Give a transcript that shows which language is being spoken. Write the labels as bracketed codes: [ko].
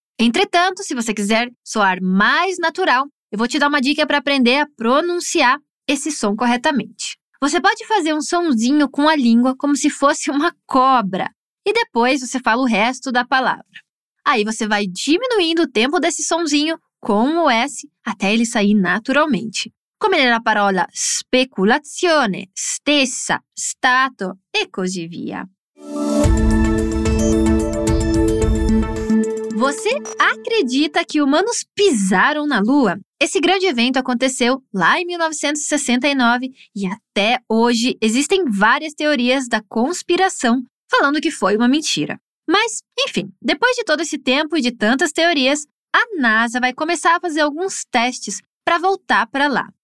[pt] Entretanto, se você quiser soar mais natural, eu vou te dar uma dica para aprender a pronunciar esse som corretamente. Você pode fazer um somzinho com a língua como se fosse uma cobra e depois você fala o resto da palavra. Aí você vai diminuindo o tempo desse somzinho com o S até ele sair naturalmente. [it] Come nella parola speculazione, stessa, stato e così via. [pt] Você acredita que humanos pisaram na Lua? Esse grande evento aconteceu lá em 1969 e até hoje existem várias teorias da conspiração falando que foi uma mentira. Mas, enfim, depois de todo esse tempo e de tantas teorias, a NASA vai começar a fazer alguns testes para voltar para lá.